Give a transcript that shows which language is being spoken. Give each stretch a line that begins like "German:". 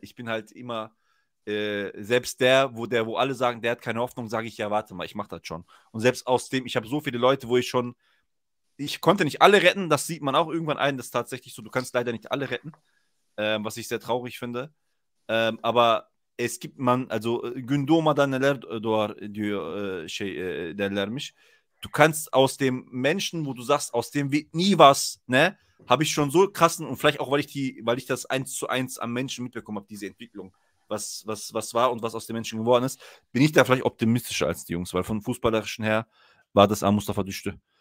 German: Ich bin halt immer, selbst wo alle sagen, der hat keine Hoffnung, sage ich, ja, warte mal, ich mach das schon. Und selbst aus dem, ich habe so viele Leute, wo ich schon, ich konnte nicht alle retten, das sieht man auch irgendwann ein, das ist tatsächlich so, du kannst leider nicht alle retten, was ich sehr traurig finde. Aber es gibt man, also,
Turkish: Gündoğma da neler doğar diyor, şey, derlermiş.
German: Du kannst aus dem Menschen, wo du sagst, aus dem wird nie was, ne? Habe ich schon so krassen, und vielleicht auch, weil ich das 1:1 am Menschen mitbekommen habe, diese Entwicklung, was war und was aus dem Menschen geworden ist, bin ich da vielleicht optimistischer als die Jungs, weil von fußballerischen her war das an Mustafa Düştü.